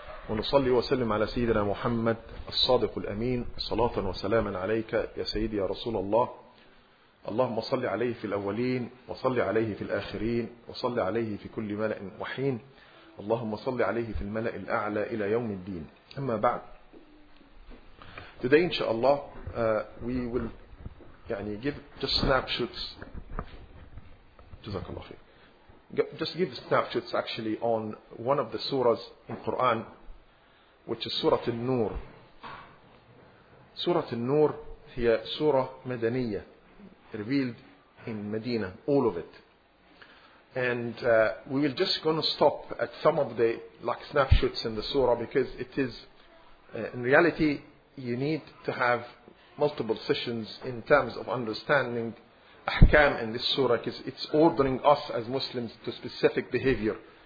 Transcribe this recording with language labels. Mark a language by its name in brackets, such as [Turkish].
[Arabic] ونصلي وسلم على سيدنا محمد الصادق الأمين صلاة وسلاما عليك يا سيدي يا رسول الله. اللهم صل عليه في الأولين وصل عليه في الآخرين وصل عليه في كل ملأ وحين، اللهم صل عليه في الملأ الأعلى إلى يوم الدين. أما بعد، [English] today [Arabic] إن شاء الله [English] we will يعني give just snapshots. [Arabic] جزاك الله خير. [English] Just give snapshots actually on one of the surahs in Quran, which is Surah An-Nur. [Arabic] Surah An-Nur هي سورة مدنية. [English] Revealed in Medina, all of it. And we will just going to stop at some of the like snapshots in the surah, because it is, in reality, you need to have multiple sessions in terms of understanding ahkam in this surah, because it's ordering us as Muslims to specific behavior.